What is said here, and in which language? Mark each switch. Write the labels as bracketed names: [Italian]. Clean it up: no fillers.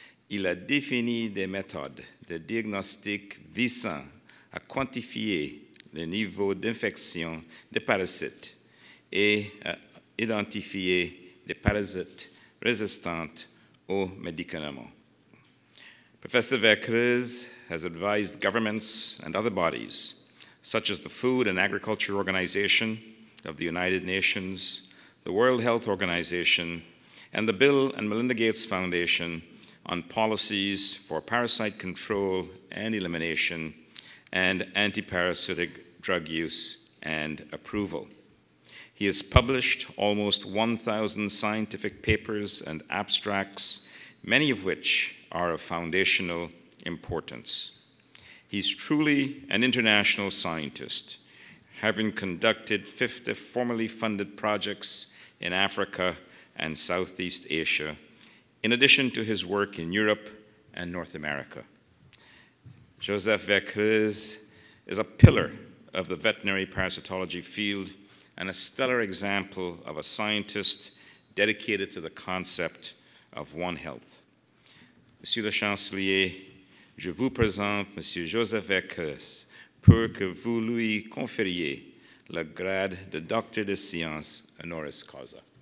[French] Il a défini des méthodes de diagnostic visant à quantifier le niveau d'infection des parasites et à identifier des parasites résistants aux médicaments. [English] Professor Vercruysse has advised governments and other bodies, such as the Food and Agriculture Organization of the United Nations, the World Health Organization, and the Bill and Melinda Gates Foundation on policies for parasite control and elimination and antiparasitic drug use and approval. He has published almost 1,000 scientific papers and abstracts, many of which are of foundational importance. He's truly an international scientist, having conducted 50 formally funded projects in Africa and Southeast Asia, in addition to his work in Europe and North America. Jozef Vercruysse is a pillar of the veterinary parasitology field and a stellar example of a scientist dedicated to the concept of One Health. [French] Monsieur le Chancelier, je vous présente Monsieur Jozef Vercruysse pour que vous lui conferiez le grade de docteur de sciences honoris causa.